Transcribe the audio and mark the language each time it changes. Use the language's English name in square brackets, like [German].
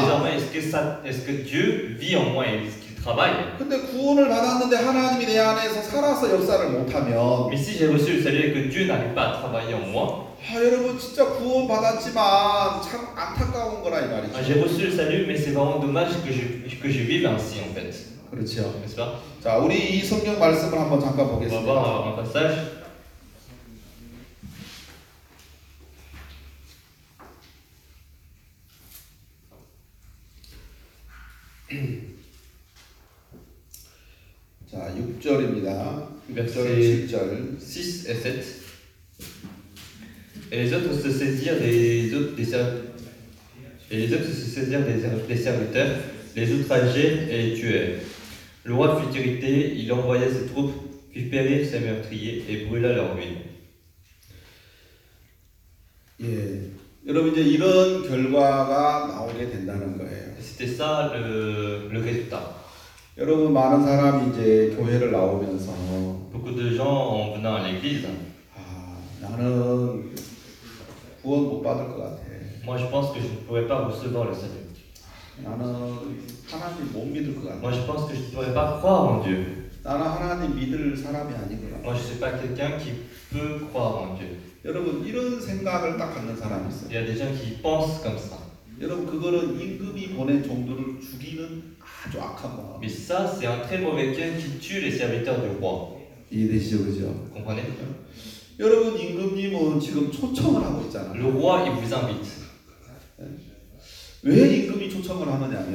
[French] Désormais est-ce que Dieu vit en moi et qu'il travaille. [Korean] 근데 구원을 받았는데 하나님이 내 안에서 살아서 역사를 못하면. [French] Mais si j'ai reçu le salut et que Dieu n'arrive pas à travailler en moi. [Korean] 아 여러분 진짜 구원 받았지만 참 안타까운 거라 이 말이죠. [French] J'ai reçu le salut mais c'est vraiment dommage que je vive ainsi en fait. [Korean] 그렇죠. 그렇죠. 자, 우리 이 성경 말씀을 한번 잠깐 보겠습니다. 봐봐, 마카사시. 자, 6절입니다. 6절, 7절. [French] 6 et 7. Et les autres se saisirent des serviteurs, les outragèrent et les tuèrent. Le roi fut irrité, il envoya ses troupes, fit périr ses meurtriers et brûla leur ville. [English] Yeah. [Korean] 여러분 이제 이런 결과가 나오게 된다는 거예요. [French] C'était ça le résultat. [Korean] 여러분 많은 사람이 이제 교회를 나오면서 [French] beaucoup de gens en venant à l'église. [Korean] 나는 구원 못 받을 것 같아. [French] Moi je pense que je ne pourrais pas recevoir le salut. [Korean] 나는 하나님 못 믿을 것 같아. [French] Moi je pense que je ne pourrais pas croire en Dieu. [Korean] 나는 하나님 믿을 사람이 아니구나. [French] Moi je suis pas quelqu'un qui peut croire en Dieu. [Korean] 여러분 이런 생각을 딱 갖는 사람 있어요. [French] Il y a des gens qui pensent comme ça. [Korean] 여러분 그거는 임금이 보낸 종들을 죽이는 아주 악한 마음. [French] Mais ça c'est un très mauvais quelqu'un qui tue les serviteurs du roi. [Korean] 이해되시죠, 그죠? [French] Comprenez? [Korean] 여러분 임금님은 지금 초청을 하고 있잖아요. [French] Le roi il vous invite. [Korean] 왜 임금이 초청을 하느냐면